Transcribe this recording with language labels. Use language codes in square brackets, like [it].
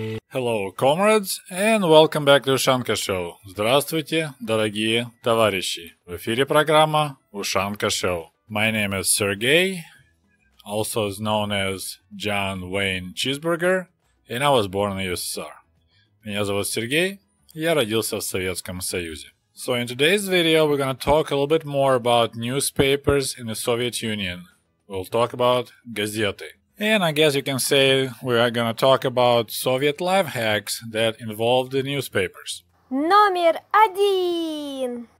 [en] Hello, comrades, and welcome back to Ushanka Show. [ru] Здравствуйте, дорогие товарищи. В эфире программа Ushanka Show. [en] My name is Sergey, also known as John Wayne Cheeseburger, and I was born in the USSR. [ru] Меня зовут Сергей, я родился в Советском Союзе. [en] So in today's video, we're going to talk a little bit more about newspapers in the Soviet Union. We'll talk about газеты. And I guess you can say we are going to talk about Soviet life hacks that involve the newspapers. [ru] Номер один!